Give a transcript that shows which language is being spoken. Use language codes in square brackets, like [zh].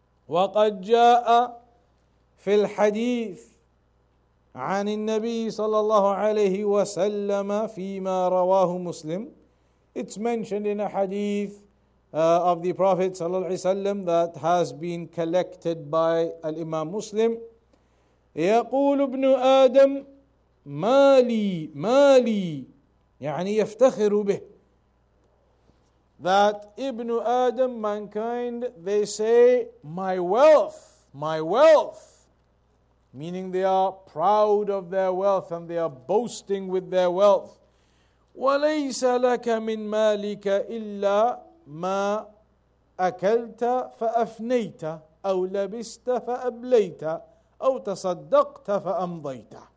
[ar] وَقَدْ جَاءَ فِي الْحَدِيثِ عَنِ النَّبِيِّ صَلَى اللَّهُ عَلَيْهِ وَسَلَّمَ فِي مَا رَوَاهُ مُسْلِمٌ. [en] It's mentioned in a hadith of the Prophet [ar] صلى الله عليه وسلم [en] that has been collected by Imam Muslim. [ar] يقول ابن آدم مالي مالي يعني يفتخر به. [en] That Ibn Adam, mankind, they say, my wealth, meaning they are proud of their wealth and they are boasting with their wealth. [ar] وَلَيْسَ لَكَ مِنْ مَالِكَ إِلَّا مَا أَكَلْتَ فَأَفْنَيْتَ أَوْ لَبِسْتَ فَأَبْلَيْتَ أَوْ تَصَدَّقْتَ فَأَمْضَيْتَ.